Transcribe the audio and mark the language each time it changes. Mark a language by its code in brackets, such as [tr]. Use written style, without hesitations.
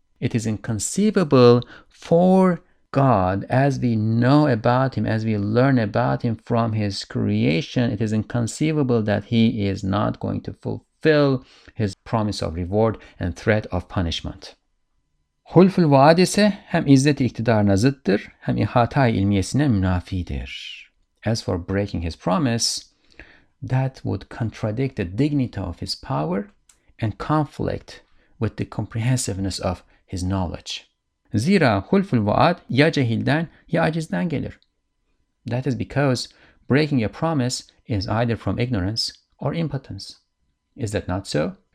[en] It is inconceivable for God, as we know about him, as we learn about him from his creation, it is inconceivable that he is not going to fulfill his promise of reward and threat of punishment. [tr] Hulful vaad ise hem izzet-i iktidarına zıttır, hem ihata-i ilmiyesine münafidir. [en] As for breaking his promise, that would contradict the dignity of his power and conflict with the comprehensiveness of his knowledge. [tr] Zira hulful vaad ya cehilden ya acizden gelir. [en] That is because breaking a promise is either from ignorance or impotence. Is that not so?